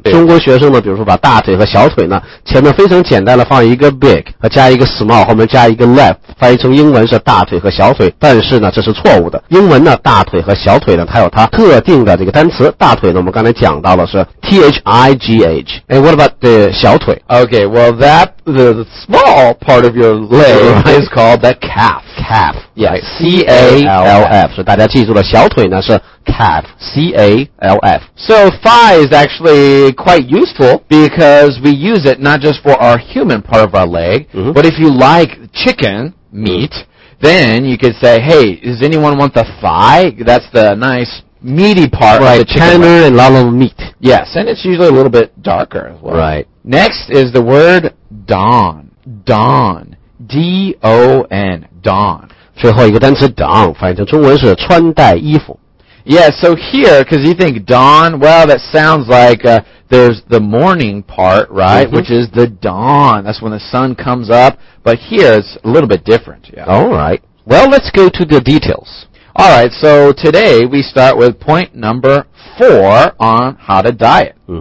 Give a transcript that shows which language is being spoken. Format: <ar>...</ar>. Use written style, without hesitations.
<zh>中国学生呢，比如说把大腿和小腿呢，前面非常简单的放一个 big， 和加一个 small， 后面加一个 leg， 翻译成英文是大腿和小腿。但是呢，这是错误的。英文呢，大腿和小腿呢，它有它特定的这个单词。大腿呢，我们刚才讲到的是 T-H-I-G-H.</zh> <en>And what about the 小腿？ Okay, well that, the small part of your leg is called the calf. Calf. Yeah,</en> <zh>C-A-L-F. 所以大家记住了，小腿呢是 calf, C-A-L-F.</zh> <en>So thigh is actually quite useful because we use it not just for our human part of our leg, but if you like chicken meat, then you could say, hey, does anyone want the thigh? That's the nice meaty part of the chicken. Tender and a lot of meat. Yes, and it's usually a little bit darker as well. Right. Next is the word dawn. Dawn. D-O-N. Dawn.</en> <zh>最后一个单词 don 翻译成中文是穿戴衣服。</zh> <en>Yeah, so here, because you think don, well, that sounds like there's the morning part, right? Which is the dawn. That's when the sun comes up. But here, it's a little bit different. Yeah. All right. Well, let's go to the details. All right, so today we start with point number 4 on how to diet.</en>